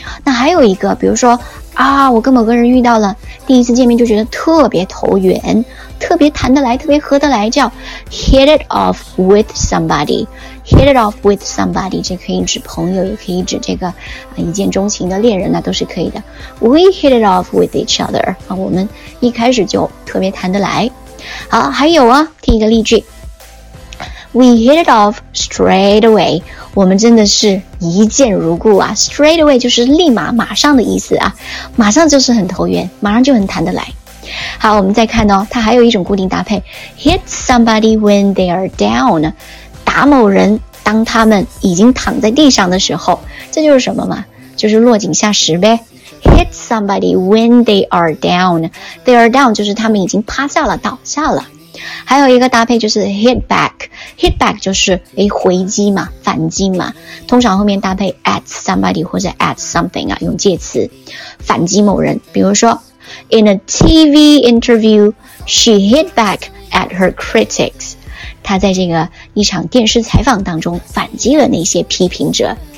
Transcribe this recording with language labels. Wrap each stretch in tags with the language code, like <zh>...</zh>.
<zh>那还有一个，比如说啊，我跟某个人遇到了，第一次见面就觉得特别投缘，特别谈得来，特别合得来，叫</zh> <en>hit it off with somebody。 hit it off with somebody</en> <zh>这可以指朋友，也可以指这个一见钟情的恋人，那都是可以的。</zh> <en>We hit it off with each other、</en> <zh>啊、我们一开始就特别谈得来。好，还有啊，听一个例句，</zh> <en>We hit it off straight away。</en> <zh>我们真的是一见如故啊。</zh> <en>Straight away</en> <zh>就是立马，马上的意思啊，马上就是很投缘，马上就很谈得来。好，我们再看哦，它还有一种固定搭配，</zh> <en>Hit somebody when they are down，</en> <zh>打某人当他们已经躺在地上的时候，这就是什么嘛，就是落井下石呗。</zh> <en>Hit somebody when they are down，</en> <zh>They are down 就是他们已经趴下了，倒下了。还有一个搭配就是</zh> <en>hit back，</en> <zh>hit back 就是回击嘛，反击嘛，通常后面搭配 at somebody 或者 at something 啊，用介词反击某人。比如说</zh> <en>in a TV interview she hit back at her critics，</en> <zh>她在这个一场电视采访当中反击了那些批评者。</zh>